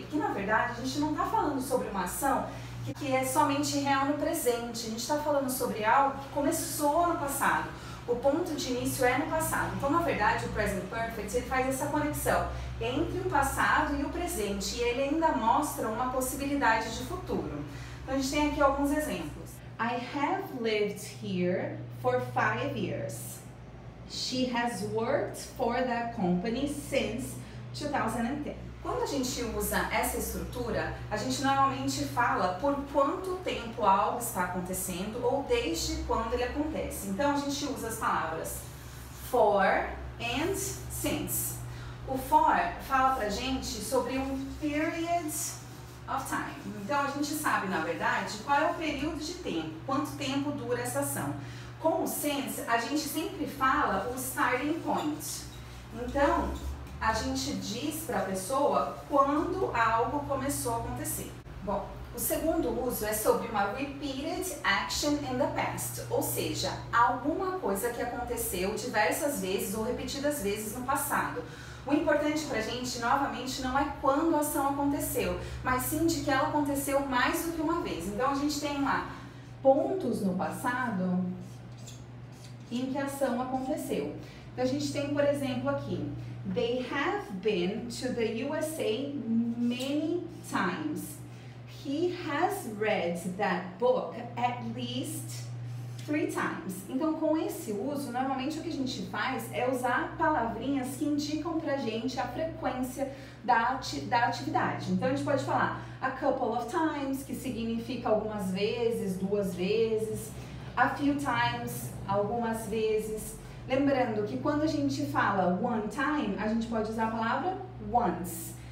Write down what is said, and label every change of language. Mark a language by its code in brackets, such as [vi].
[pt] Porque, na verdade, a gente não está falando sobre uma ação que é somente real no presente. A gente está falando sobre algo que começou no passado. O ponto de início é no passado. Então, na verdade, o present perfect ele faz essa conexão entre o passado e o presente. E ele ainda mostra uma possibilidade de futuro. Então, a gente tem aqui alguns exemplos. [en] I have lived here for 5 years. She has worked for that company since 2010. [pt] Quando a gente usa essa estrutura, a gente normalmente fala por quanto tempo algo está acontecendo ou desde quando ele acontece. Então, a gente usa as palavras for and since. O for fala pra gente sobre um period of time. Então, a gente sabe, na verdade, qual é o período de tempo, quanto tempo dura essa ação. Com o since, a gente sempre fala o starting point. Então, a gente diz para a pessoa quando algo começou a acontecer. Bom, o segundo uso é sobre uma [en] repeated action in the past. [pt] Ou seja, alguma coisa que aconteceu diversas vezes ou repetidas vezes no passado. O importante para a gente, novamente, não é quando a ação aconteceu, mas sim de que ela aconteceu mais do que uma vez. Então, a gente tem lá pontos no passado em que a ação aconteceu. Então, a gente tem, por exemplo, aqui. [en] They have been to the USA many times. He has read that book at least 3 times. [pt] Então, com esse uso, normalmente o que a gente faz é usar palavrinhas que indicam pra gente a frequência da atividade. Então, a gente pode falar a couple of times, que significa algumas vezes, duas vezes. A few times, algumas vezes. Lembrando que quando a gente fala one time, a gente pode usar a palavra once.